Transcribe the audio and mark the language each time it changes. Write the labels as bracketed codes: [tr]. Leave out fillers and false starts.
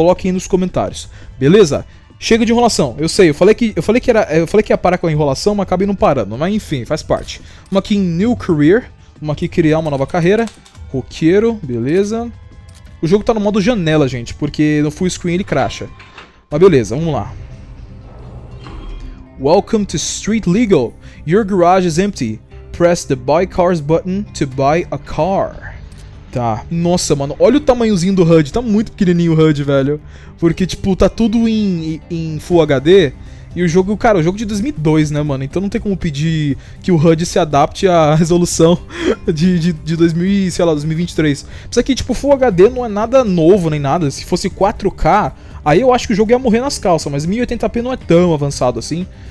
[pt] Coloquem aí nos comentários, beleza? Chega de enrolação, eu sei, eu falei que ia parar com a enrolação, mas acabei não parando, mas enfim, faz parte. Uma aqui em New Career, uma aqui criar uma nova carreira, roqueiro, beleza. O jogo tá no modo janela, gente, porque no full screen ele crasha. Mas beleza, vamos lá. [en] Welcome to Street Legal, your garage is empty. Press the buy cars button to buy a car. [pt] Tá. Nossa, mano. Olha o tamanhozinho do HUD. Tá muito pequenininho o HUD, velho. Porque, tipo, tá tudo em Full HD. E o jogo, cara, o jogo de 2002, né, mano? Então não tem como pedir que o HUD se adapte à resolução de 2000, sei lá, 2023. Isso aqui, tipo, Full HD não é nada novo nem nada. Se fosse 4K, aí eu acho que o jogo ia morrer nas calças. Mas 1080p não é tão avançado assim.